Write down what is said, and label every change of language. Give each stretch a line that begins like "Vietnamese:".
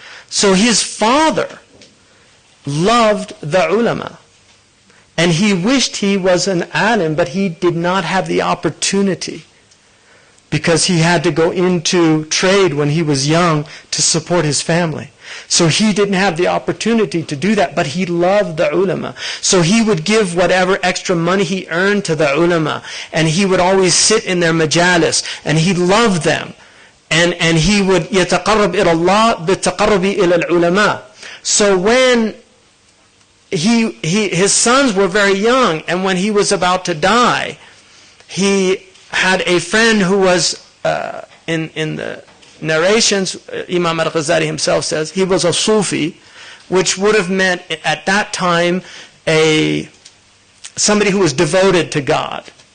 English: So his father loved the ulama, and he wished he was an alim, but he did not have the opportunity because he had to go into trade when he was young to support his family. So he didn't have the opportunity to do that, but he loved the ulama. So he would give whatever extra money he earned to the ulama, and he would always sit in their majalis, and he loved them. And he would
Arabic: يتقرب إلى الله بالتقرب إلى العلماء.
English: So when his sons were very young, and when he was about to die, he had a friend who was in the narrations. Imam al-Ghazali himself says he was a Sufi, which would have meant at that time somebody who was devoted to God.